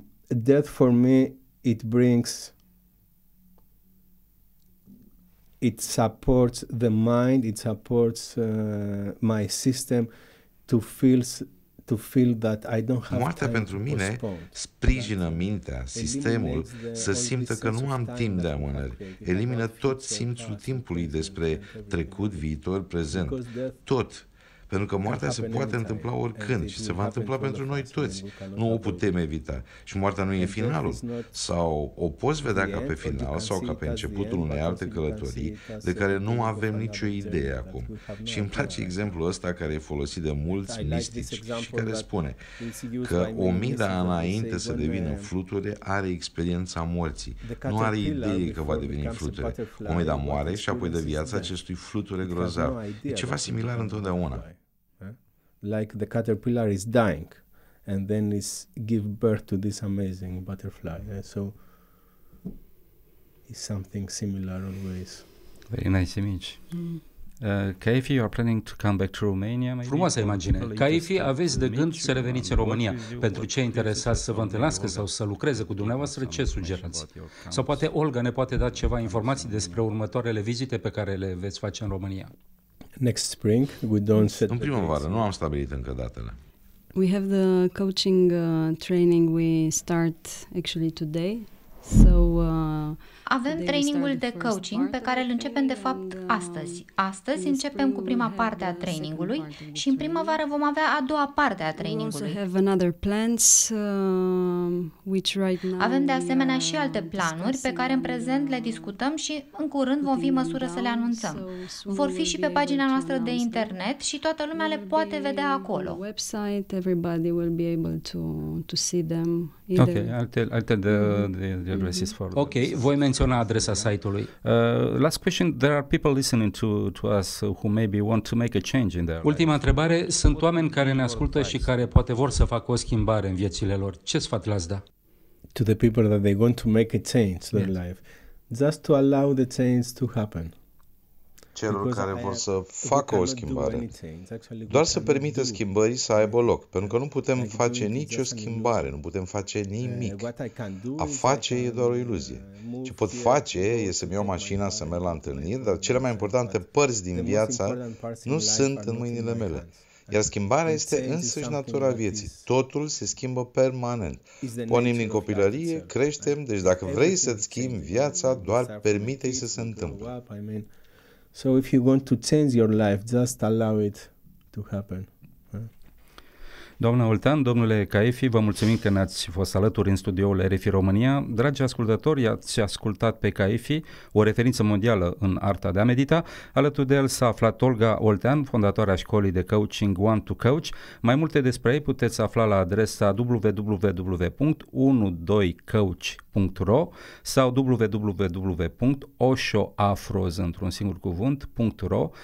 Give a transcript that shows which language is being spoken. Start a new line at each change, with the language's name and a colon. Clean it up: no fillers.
English: Death for me, it brings, it supports the mind, it supports my system to feel that I don't have.
Romanian: Moartea pentru mine sprijină mintea, sistemul, să simtă că nu am timp de amânări. Elimină tot simțul timpului despre trecut, viitor, prezent. Tot. Pentru că moartea se poate întâmpla oricând și se va întâmpla pentru noi toți. Nu o putem evita. Și moartea nu e finalul. Sau o poți vedea ca pe final sau ca pe începutul unei alte călătorii de care nu avem nicio idee acum. Și îmi place exemplul ăsta care e folosit de mulți mistici și care spune că 1000 de ani înainte să devină fluture are experiența morții. Nu are idee că va deveni fluture. Omida moare și apoi dă viața acestui fluture grozav. E ceva similar întotdeauna.
English: Like the caterpillar is dying and then is give birth to this amazing butterfly. Yeah? So it's something similar always. Very nice image. Kaifi, you are planning to come back to Romania, maybe?
Romanian: Frumoasă imagine. Kaifi, aveți de gând să reveniți în România. Pentru cei interesați să vă întâlnească sau să lucreze cu dumneavoastră, ce sugerați? Sau poate Olga ne poate da ceva informații despre următoarele vizite pe care le veți face în România.
English: Next spring we don't set.
Romanian: În primăvară nu am stabilit încă datele.
English: We have the coaching training we start actually today. So
Romanian: avem trainingul de coaching pe care îl începem de fapt astăzi. Astăzi începem cu prima parte a trainingului și în primăvară vom avea a doua parte a trainingului.
English: We have another plans which right now.
Romanian: Avem de asemenea și alte planuri pe care în prezent le discutăm și în curând vom fi în măsură să le anunțăm. Vor fi și pe pagina noastră de internet și toată lumea le poate vedea acolo.
English: Website, everybody will be able to see them. Ok, alte de adreses for.
Romanian: Ok, voi menționa adresa site-ului.
English: Last question, there are people listening to us who maybe want to make a change in their life.
Romanian: Ultima întrebare, sunt oameni care ne ascultă și care poate vor să facă o schimbare în viețile lor. Ce sfat le-ați da?
English: To the people that they want to make a change in their life. Just to allow the change to happen.
Romanian: Celor care vor să facă o schimbare. Doar să permită schimbării să aibă loc, pentru că nu putem face nicio schimbare, nu putem face nimic. A face e doar o iluzie. Ce pot face e să-mi iau mașina, să merg la întâlniri, dar cele mai importante părți din viața nu sunt în mâinile mele. Iar schimbarea este însăși natura vieții. Totul se schimbă permanent. Pornim din copilărie, creștem, deci dacă vrei să-ți schimbi viața, doar permite-i să se întâmple.
English: So if you want to change your life, just allow it to happen.
Romanian: Doamna Oltan, domnule Kaifi, vă mulțumim că ne-ați fost alături în studioul RFI România. Dragi ascultători, ați ascultat pe Kaifi, o referință mondială în arta de a medita. Alături de el s-a aflat Olga Oltan, fondatoarea școlii de coaching One to Coach. Mai multe despre ei puteți afla la adresa www.12coach.ro sau www.oshoafros.ro.